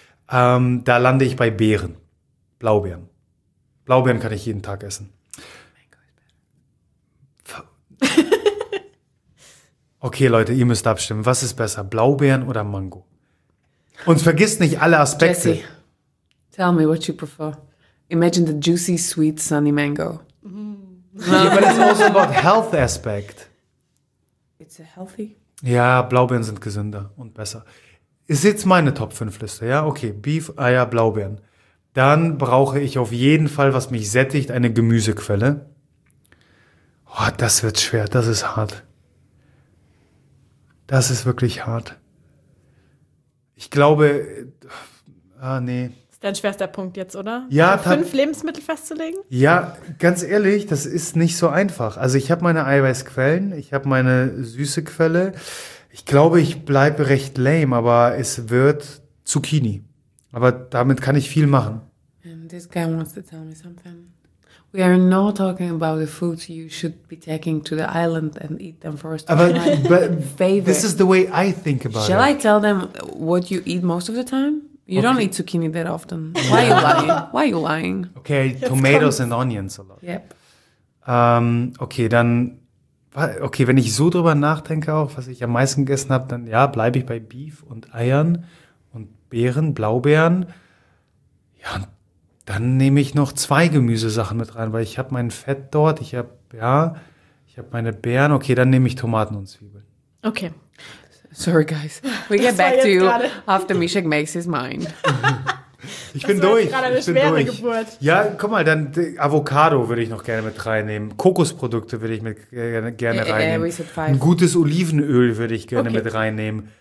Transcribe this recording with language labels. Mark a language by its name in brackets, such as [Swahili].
[German] Da lande ich bei Beeren. Blaubeeren. Blaubeeren kann ich jeden Tag essen. Okay, Leute, ihr müsst abstimmen. Was ist besser, Blaubeeren oder Mango? Und vergisst nicht alle Aspekte. [English] Jesse, tell me what you prefer. Imagine the juicy, sweet, sunny mango. But it's also about health aspect. It's a healthy. [German] Ja, Blaubeeren sind gesünder und besser. Ist jetzt meine Top 5 Liste, ja? Okay, Beef, Eier, Blaubeeren. Dann brauche ich auf jeden Fall, was mich sättigt, eine Gemüsequelle. Oh, das wird schwer, das ist hart. Das ist wirklich hart. Ich glaube, nee. Das ist dein schwerster Punkt jetzt, oder? Ja, 5 Lebensmittel festzulegen? Ja, ganz ehrlich, das ist nicht so einfach. Also ich habe meine Eiweißquellen, ich habe meine süße Quelle. Ich glaube, ich bleibe recht lame, aber es wird Zucchini. Aber damit kann ich viel machen. [English] And this guy wants to tell me something. We are not talking about the foods you should be taking to the island and eat them first. But this is the way I think about Shall it. Shall I tell them what you eat most of the time? You okay. don't eat zucchini that often. Why are you lying? Why are you lying? Okay, tomatoes and onions a lot. Yep. [German] Okay, wenn ich so drüber nachdenke, auch was ich am meisten gegessen habe, dann ja, bleibe ich bei Beef und Eiern. Beeren, Blaubeeren, ja, dann nehme ich noch 2 Gemüsesachen mit rein, weil ich habe mein Fett dort, ich habe meine Beeren, okay, dann nehme ich Tomaten und Zwiebeln. Okay. [English] Sorry, guys. We get back to you after Mishek makes his mind. [German] Ich bin durch. Das war gerade eine schwere Geburt. Ja, guck mal, dann Avocado würde ich noch gerne mit reinnehmen. Kokosprodukte würde ich mit gerne reinnehmen. [English] We said 5. [German] Ein gutes Olivenöl würde ich gerne mit reinnehmen.